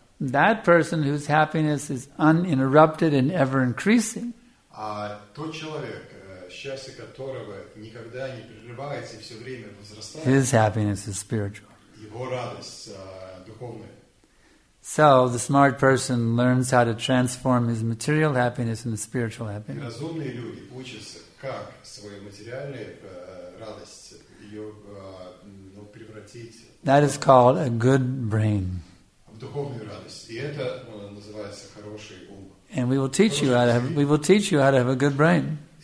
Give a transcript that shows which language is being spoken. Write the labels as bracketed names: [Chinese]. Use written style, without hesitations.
[English] That person whose happiness is uninterrupted and ever increasing. [Russian] А тот человек, счастье которого никогда не прерывается и все время возрастает. [English] His happiness is spiritual. [Russian] Его радость духовная. [English] So the smart person learns how to transform his material happiness into spiritual happiness. [Russian] Разумные люди учатся, как свою материальную радость ее превратить. [English] That is called a good brain. And we will teach you how to have, a good brain.